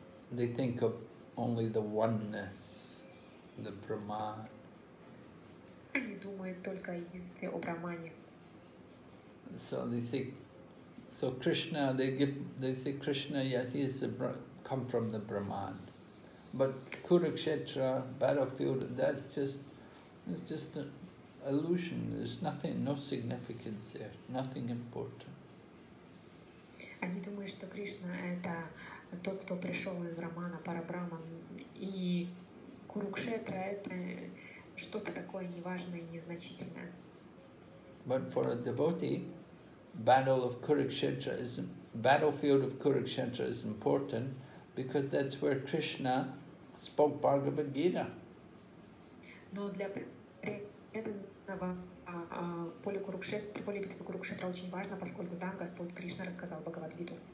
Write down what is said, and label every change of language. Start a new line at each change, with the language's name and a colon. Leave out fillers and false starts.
English: They think of only the oneness, the Brahman.
Russian: Они думают только о единстве, о Брахмане.
English: So they say Krishna, yes, he is come from the Brahman, but Kurukshetra battlefield, that's just an illusion. There's nothing, no significance there, nothing important.
Russian: Они думают, что Кришна это тот, кто пришел из Брахмана, Парабрахман, и Курукшетра это что-то такое неважное, незначительное.
English: But for a devotee, battlefield of Kurukshetra is important because that's where Krishna spoke Bhagavad Gita.
Russian: Но для преданного поле битвы Курукшетра очень важно, поскольку там Господь Кришна рассказал Бхагавад Гиту.